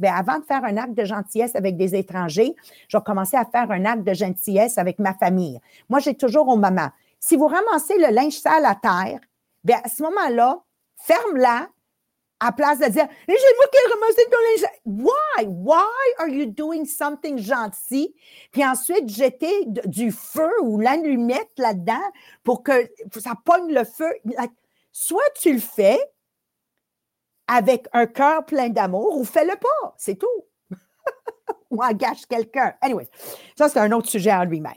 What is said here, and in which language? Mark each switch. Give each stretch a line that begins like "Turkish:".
French: Bien, avant de faire un acte de gentillesse avec des étrangers, je vais commencer à faire un acte de gentillesse avec ma famille. Moi, j'ai toujours aux mamans. Si vous ramassez le linge sale à terre, bien, à ce moment-là, ferme-la à place de dire, « J'ai moi qui ai ramassé ton linge sale. »
English: Why? Why are you doing something
French: gentil? Puis ensuite, jeter du feu ou l'allumette là-dedans pour que ça pogne le feu. Like, soit tu le fais avec un cœur plein d'amour ou fais-le pas, c'est tout. Ou engage quelqu'un. Anyway, ça, c'est un autre sujet en lui-même.